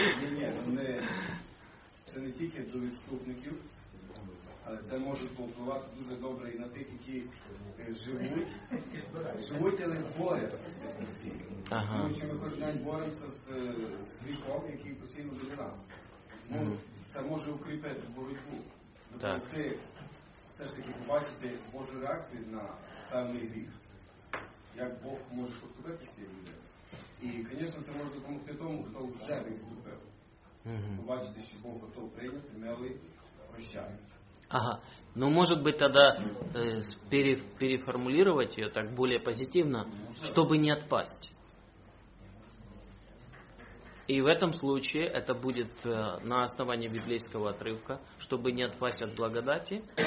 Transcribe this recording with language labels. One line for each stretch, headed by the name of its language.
Russian: Нет, это не только до отступников, это может повлиять очень хорошо и на тех, которые живут, но борются. Ага. Потому что мы каждый день боремся с грехом, который постоянно до нас.
Ukrainian: Це може укріпити боротьбу. Так. Ти все ж таки побачити Божу реакцію на певний гріх. Як Бог може поступити цієї людини. І, звісно, це може допомогти тому, хто вже відступив. Побачити, що Бог готов прийняти, милий, прощає. Ага.
Russian: Ну, может быть, тогда переформулировать ее так более позитивно, чтобы не отпасть. И в этом случае это будет на основании библейского отрывка, чтобы не отпасть от благодати.